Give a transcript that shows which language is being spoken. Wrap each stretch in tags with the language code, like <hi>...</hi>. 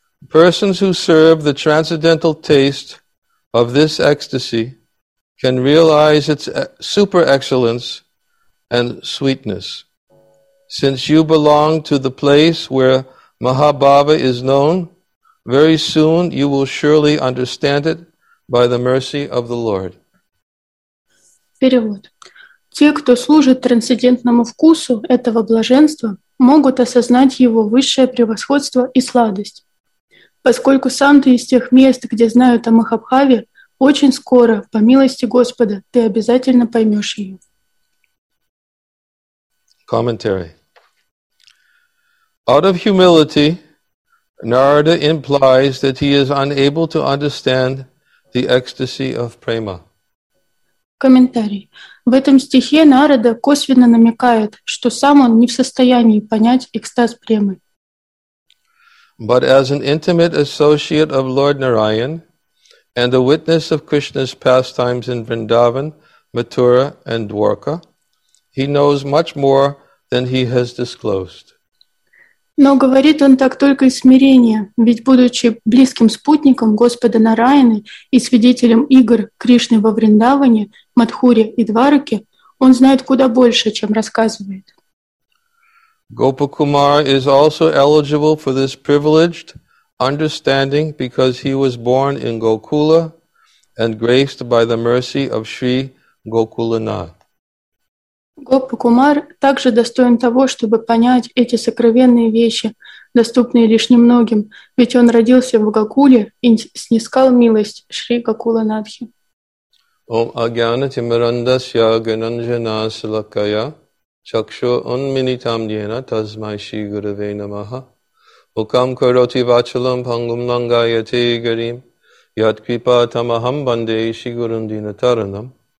<en>Persons who serve the transcendental taste of this ecstasy can realize its super excellence and sweetness. Since you belong to the place where Mahabhava is known, very soon you will surely understand it by the mercy of the Lord.</en> <ru>Перевод. Те, кто служит трансцендентному вкусу этого блаженства, могут осознать его высшее превосходство и сладость. Поскольку сам ты из тех мест, где знают о Махабхаве, очень скоро, по милости Господа, ты обязательно поймешь ее.</ru> <en>Commentary. Out of humility, Narada implies that he is unable to understand the ecstasy of prema.</en> <ru>Комментарий. В этом стихе Нарада косвенно намекает, что сам он не в состоянии понять экстаз премы.</ru> <en>But as an intimate associate of Lord Narayan and a witness of Krishna's pastimes in Vrindavan, Mathura and Dwarka, he knows much more than he has disclosed.</en> <ru>Но говорит он так только из смирения, ведь будучи близким спутником Господа Нараяны и свидетелем игр Кришны во Вриндаване, Мадхуре и Двараке, он знает куда больше, чем рассказывает.</ru> <en>Gopakumar is also eligible for this privileged understanding because he was born in Gokula and graced by the mercy of Sri Gokulanath.</en> <ru>Гопакумар также достоин того, чтобы понять эти сокровенные вещи, доступные лишь немногим, ведь он родился в Гокуле и снискал милость Шри Гокуланадхи.</ru> <sa>Ом агьяна тимирандасья гананжана салакая чакшу унминитам йена тасмай шри гураве намаха мукам кароти вачалам пангум лангаяте гарим яд крипа тамахам банде шри гурун динатаранам.</sa>